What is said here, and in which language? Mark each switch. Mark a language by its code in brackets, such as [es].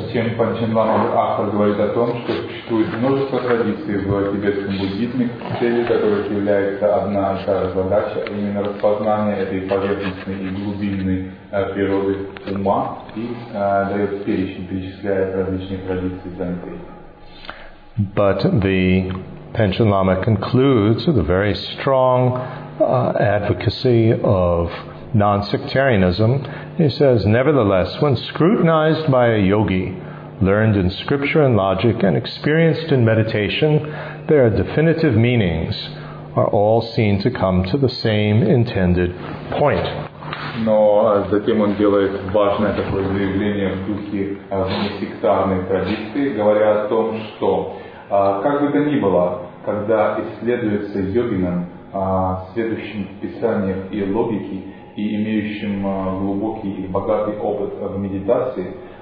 [ru] Затем Панчен Лама, автор, говорит о том, что существует множество традиций в тибетском буддизме, целью которых является одна и та же задача, именно распознание этой поверхностной и глубинной природы ума, и дает перечень, перечисляет различные традиции Дзэнпэй. [en] But the Panchen Lama concludes with a very strong advocacy of non-sectarianism. He says, nevertheless, when scrutinized by a yogi, learned in scripture and logic and experienced in meditation, their definitive meanings are all seen to come to the same intended point. [ru] Но затем он делает важное такое заявление в духе несектарной традиции, говоря о том, что как бы то ни было, когда исследуется йогином, следующим в писаниях и логике, и имеющим глубокий и богатый опыт в медитации,